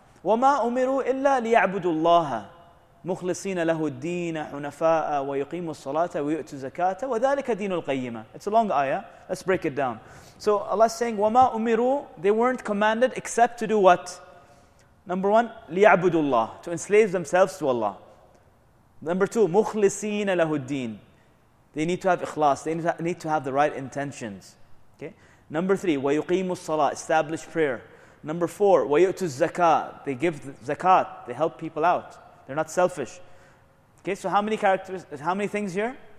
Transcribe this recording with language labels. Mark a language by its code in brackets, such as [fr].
[ar] وَمَا أُمِرُوا إِلَّا لِيَعْبُدُوا اللَّهَ مُخْلِصِينَ لَهُ الدِّينَ حُنَفَاءَ وَيُقِيمُوا الصَّلَاةَ وَيُؤْتُوا زَكَاةَ وَذَلِكَ دِينُ الْقَيِّمَةِ. [en] It's a long ayah. Let's break it down. So Allah is saying, [ar] وَمَا أُمِرُوا. [en] They weren't commanded except to do what? Number one, [ar] لِيَعْبُدُوا اللَّهَ. [en] To enslave themselves to Allah. Number two, [ar] مُخْلِصِينَ لَهُ الدِّينَ. [en] They need to have ikhlas. They need to have the right intentions. Okay. Number three, [ar] وَيُقِيمُوا الصَّلَاةَ. [en] Establish prayer. Number four, [ar] وَيُؤْتُوا الزَّكَاةَ. [en] They give zakat. They help people out. They're not selfish. Okay, so how many characters, how many things here?